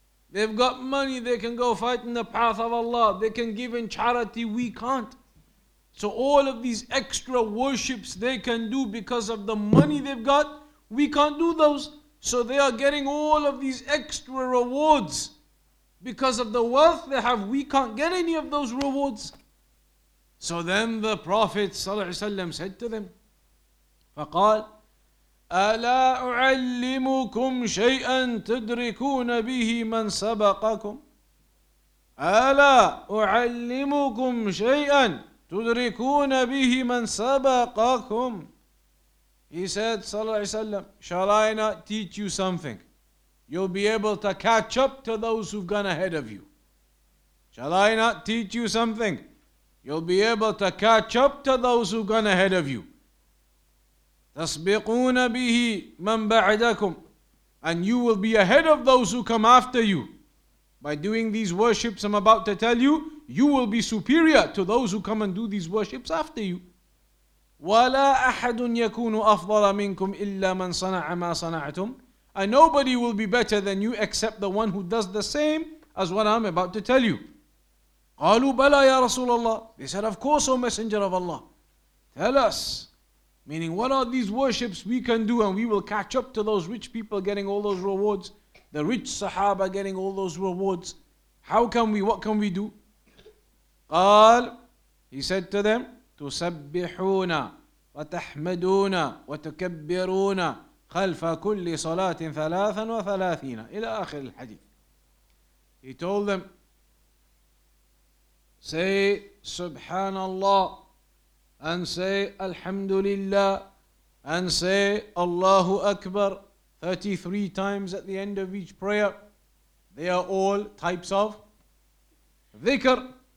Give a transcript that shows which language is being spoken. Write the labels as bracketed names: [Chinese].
[English] They've got money, they can go fight in the path of Allah. They can give in charity, we can't. So all of these extra worships they can do because of the money they've got, we can't do those. So they are getting all of these extra rewards. Because of the wealth they have, we can't get any of those rewards. So then the Prophet ﷺ said to them, [Arabic] فقال ألا أعلمكم شيئا تدركون به من سبقكم ألا أعلمكم شيئا تدركون به من سبقكم. [English] He said [Arabic] صلى الله عليه وسلم, [English] shall I not teach you something? You'll be able to catch up to those who've gone ahead of you. Shall I not teach you something? You'll be able to catch up to those who've gone ahead of you. [Arabic] تسبقون به من بعدكم, [English] and you will be ahead of those who come after you. By doing these worships I'm about to tell you, you will be superior to those who come and do these worships after you. [Arabic] ولا أحد يكون أفضل منكم إلا من صنع ما صنعتم, [English] and nobody will be better than you except the one who does the same as what I'm about to tell you. [Arabic] قالوا بلى يا رسول الله. [English] They said, of course, O Messenger of Allah. Tell us. Meaning, what are these worships we can do and we will catch up to those rich people getting all those rewards, the rich Sahaba getting all those rewards. How can we, what can we do? [Arabic] قال, [English] he said to them, [Arabic] تسبحون وتحمدون وتكبرون خلف كل صلاة ثلاثا وثلاثين إلى آخر الحديث. [English] He told them, say, [Arabic] سبحان الله, [English] and say Alhamdulillah, and say Allahu Akbar 33 times at the end of each prayer. They are all types of dhikr.